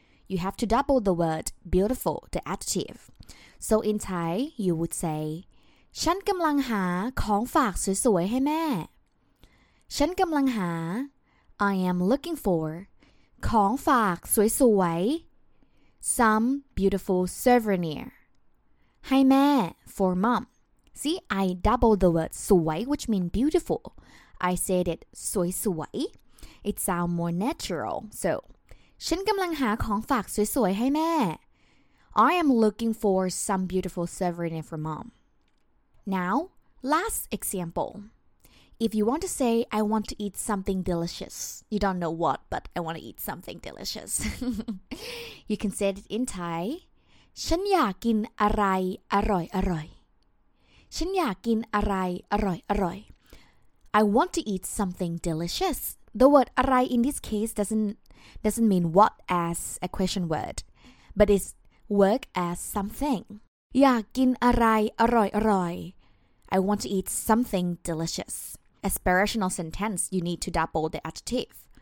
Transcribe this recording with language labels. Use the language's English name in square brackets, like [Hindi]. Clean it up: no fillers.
[English] You have to double the word beautiful, the adjective. So in Thai, you would say, [Thai] ฉันกำลังหาของฝากสวยๆให้แม่ฉันกำลังหา [English] I am looking for [Thai] ของฝากสวยๆ [English] some beautiful souvenir [Thai] ให้แม่ [English] for mom. See, I double the word สวย which means beautiful. I said it สวยๆ It sounds more natural. So, [Thai] ฉันกำลังหาของฝากสวยๆให้แม่ [English] I am looking for some beautiful souvenir for mom. Now, last example. If you want to say, I want to eat something delicious. You don't know what, but I want to eat something delicious. You can say it in Thai. [Thai] ฉันอยากกินอะไรอร่อยๆ ฉันอยากกินอะไรอร่อย [English] ๆ I want to eat something delicious. The word อะไรin this case doesn't mean what as a question word. But it'sWork as something. [Thai] อยากกินอะไรอร่อย [English] ๆ I want to eat something delicious. Aspirational sentence, you need to double the adjective.